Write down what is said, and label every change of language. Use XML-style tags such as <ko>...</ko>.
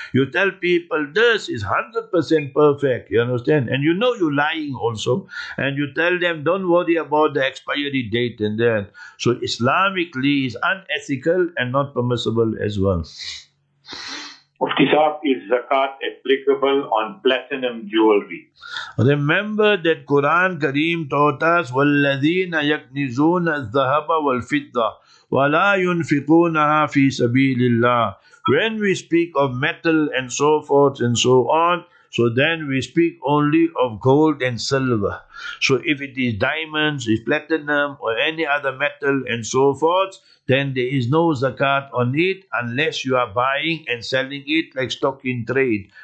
<en>You tell people this is 100% perfect, you understand? And you know you're lying also. And you tell them, don't worry about the expiry date. than that. So Islamically is unethical and not permissible as well. Mufti Sahib, is zakat applicable on platinum jewelry? Remember that Quran Kareem taught us,</en> <ar>وَالَّذِينَ يَكْنِزُونَ الذَّهَبَ وَالْفِدَّةِ وَلَا يُنْفِقُونَهَا فِي سَبِيلِ اللَّهِ.</ar> <en>When we speak of metal and so forth and so on, so then we speak only of gold and silver. So if it is diamonds, if platinum or any other metal and so forth, then there is no zakat on it unless you are buying and selling it like stock in trade.</en>